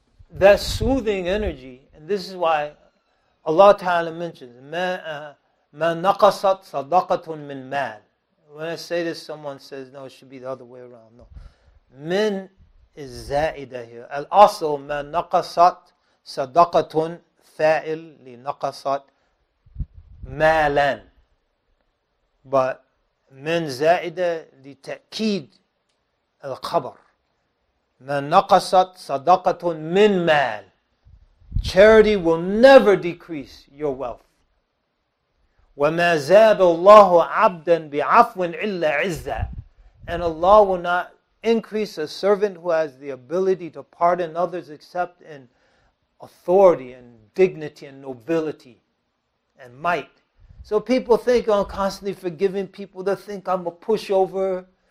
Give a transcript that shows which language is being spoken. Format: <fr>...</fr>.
<en>That soothing energy, and this is why Allah Ta'ala mentions,</en> <ar>مَا نَقَصَتْ صَدَقَةٌ مِّنْ مَال.</ar> <en>When I say this, someone says, no, it should be the other way around. No. مِن is زَائِدَ here.</en> <ar>Al-Asl, مَا نَقَصَتْ صَدَقَةٌ فَاعِلْ لِنَقَصَتْ مَالًا.</ar> <en>But</en> <ar>من زائدة لتأكيد الخبر. من نقصت صدقة من مال.</ar> <en>Charity will never decrease your wealth.</en> <ar>وما زاد الله عبدا بعفو إلا عزة.</ar> <en>And Allah will not increase a servant who has the ability to pardon others except in authority and dignity and nobility and might. So people think I'm constantly forgiving people. They think I'm a pushover.</en>